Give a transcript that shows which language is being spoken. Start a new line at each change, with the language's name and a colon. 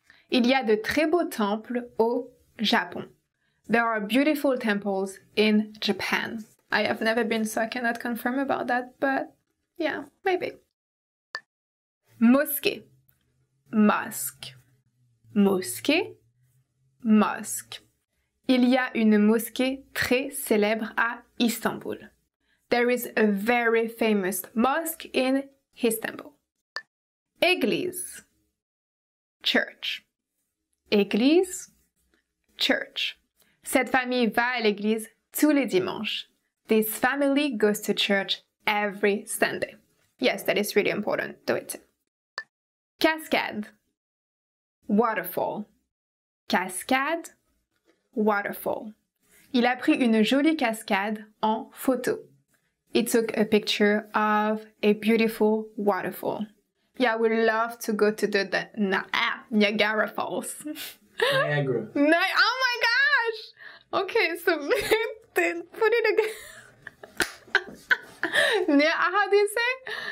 French: Il y a de très beaux temples au Japon.
English: There are beautiful temples in Japan. I have never been, so I cannot confirm about that, but yeah, maybe.
French: Mosquée. Mosque. Mosquée, mosque. Il y a une mosquée très célèbre à Istanbul.
English: There is a very famous mosque in Istanbul.
French: Église, church. Église, church. Cette famille va à l'église tous les dimanches.
English: This family goes to church every Sunday. Yes, that is really important. Do it too. Cascade. Waterfall. Cascade. Waterfall.
French: Il a pris une jolie cascade en photo.
English: He took a picture of a beautiful waterfall. Yeah, I would love to go to Niagara Falls. Niagara. Oh my gosh! Okay, so put it again. How do you say?